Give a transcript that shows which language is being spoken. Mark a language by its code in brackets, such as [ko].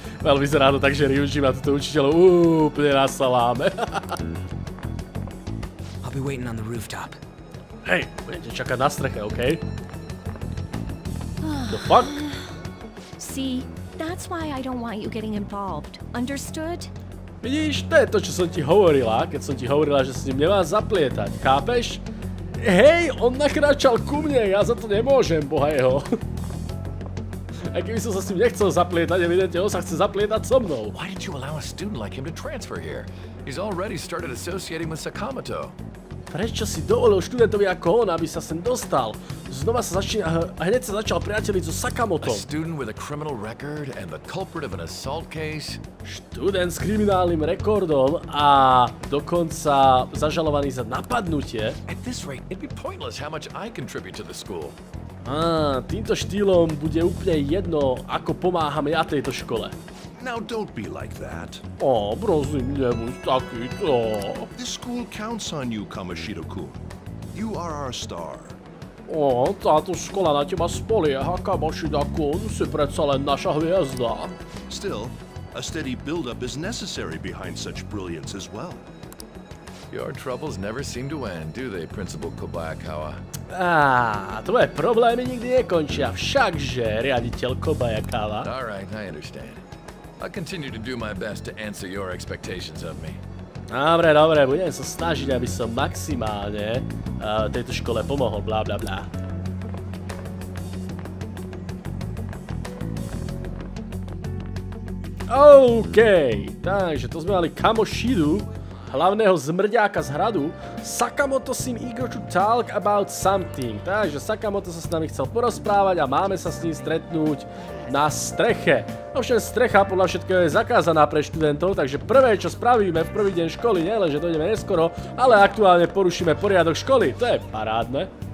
[sk] Veľ, vyzerá to tak, že Ryuji má toto učiteľo úplne na saláme. [en] I'll be waiting on the rooftop. [sk] Hej, budete čakať na streche, okej? [en] The fuck? See, that's why I don't want you getting involved. Understood? [sk] Vidíš, to je to, čo som ti hovorila, keď som ti hovorila, že s ním nemá zaplietať, chápeš? Hej, on nakráčal ku mne, ja za to nemôžem, boha jeho. Aj keby som sa s ním nechcel zaplietať, evidentne on sa chce zaplietať so mnou. [en] Why did you allow a student like him to transfer here? He's already started associating with Sakamoto. [sk] Prečo si dovolil študentovi ako on, aby sa sem dostal? Znova sa začína, hneď sa začal priateliť so Sakamoto. [en] A student with a criminal record and the culprit of an assault case? [sk] Študent s kriminálnym rekordom a dokonca zažalovaný za napadnutie. [en] At this rate, it'd be pointless how much I contribute to the school. [sk] Týmto štýlom bude úplne jedno, ako pomáham ja tejto škole. [en] Now don't be like that. [sk] Prosím, nebuď takýto. [en] This school counts on you, Kamoshiro-kun. You are our star. [sk] Táto škola na teba spolieha, Kamoshida-kun. Si predsa len naša hviezda. [en] Still, a steady build-up is necessary behind such brilliance as well. Your troubles never seem to end, do they, Principal Kobayakawa? [sk] Tvoje problémy nikdy nekončia, všakže, riaditeľ Kobayakawa. [en] All right, I understand. I'll continue to do my best to answer your expectations of me. [sk] Dobre, budem sa snažiť, aby som maximálne tejto škole pomohol, blablabla. OK, takže to sme mali Kamoshidu. Hlavného zmrďáka z hradu. [en] Sakamoto seem eager to talk about something. [sk] Takže Sakamoto sa s nami chcel porozprávať a máme sa s ním stretnúť na streche. Ovšem strecha podľa všetkého je zakázaná pre študentov, takže prvé čo spravíme v prvý deň školy, nie len že dojdeme neskoro, ale aktuálne porušíme poriadok školy. To je parádne.